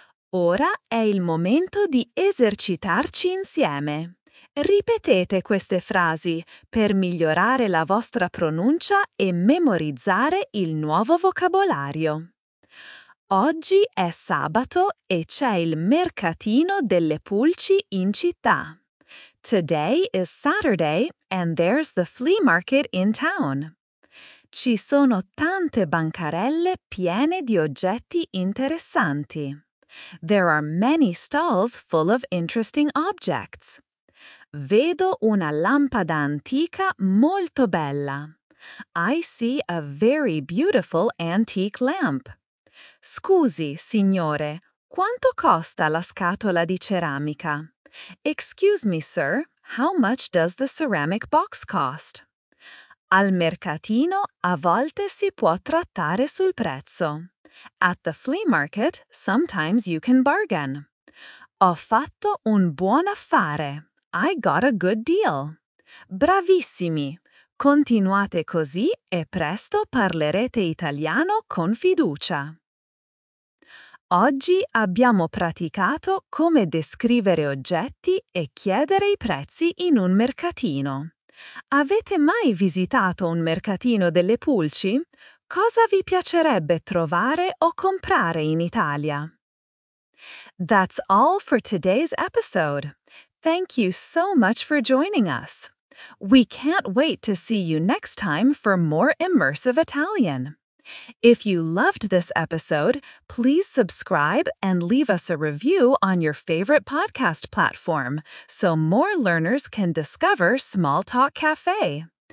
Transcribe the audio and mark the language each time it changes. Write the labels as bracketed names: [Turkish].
[Italian] Ora è il momento di esercitarci insieme. Ripetete queste frasi per migliorare la vostra pronuncia e memorizzare il nuovo vocabolario. Oggi è sabato e c'è il mercatino delle pulci in città. [English] Today is Saturday and there's the flea market in town. [Italian] Ci sono tante bancarelle piene di oggetti interessanti. [English] There are many stalls full of interesting objects. [Italian] Vedo una lampada antica molto bella. [English] I see a very beautiful antique lamp. [Italian] Scusi, signore, quanto costa la scatola di ceramica? [English] Excuse me, sir, how much does the ceramic box cost? [Italian] Al mercatino a volte si può trattare sul prezzo. [English] At the flea market, sometimes you can bargain. [Italian] Ho fatto un buon affare. [English] I got a good deal. [Italian] Bravissimi! Continuate così e presto parlerete italiano con fiducia. Oggi abbiamo praticato come descrivere oggetti e chiedere i prezzi in un mercatino. Avete mai visitato un mercatino delle pulci? Cosa vi piacerebbe trovare o comprare in Italia? [English] That's all for today's episode. Thank you so much for joining us. We can't wait to see you next time for more immersive Italian. If you loved this episode, please subscribe and leave us a review on your favorite podcast platform so more learners can discover Small Talk Cafe.